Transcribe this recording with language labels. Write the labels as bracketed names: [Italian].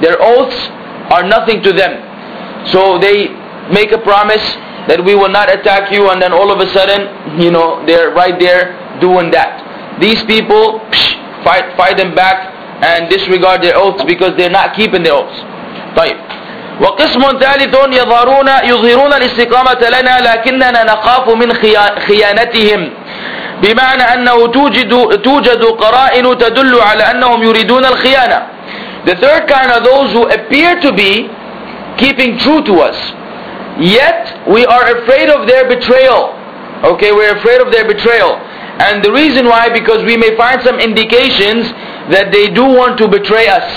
[English] Their oaths are nothing to them. So they make a promise that we will not attack you, and then all of a sudden, you know, they're right there doing that. These people, fight them back and disregard their oaths, because they're not keeping their oaths. [Arabic] طيب. وقسم ثالث يظهرون الاستقامة لنا لكننا نخاف من خيانتهم، بمعنى أنه توجد قرائن تدل على أنهم يريدون الخيانة. [English] The third kind are those who appear to be keeping true to us, yet we are afraid of their betrayal. Okay, we're afraid of their betrayal. And the reason why, because we may find some indications that they do want to betray us.